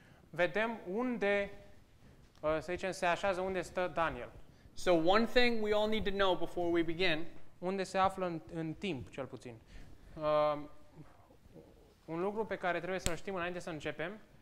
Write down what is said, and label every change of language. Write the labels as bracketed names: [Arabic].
[Romanian] Vedem unde să zicem se așează, unde stă Daniel. [English] So one thing we all need to know before we begin, [Romanian] unde se află în timp cel puțin. Un lucru pe care trebuie să-l știm înainte să începem,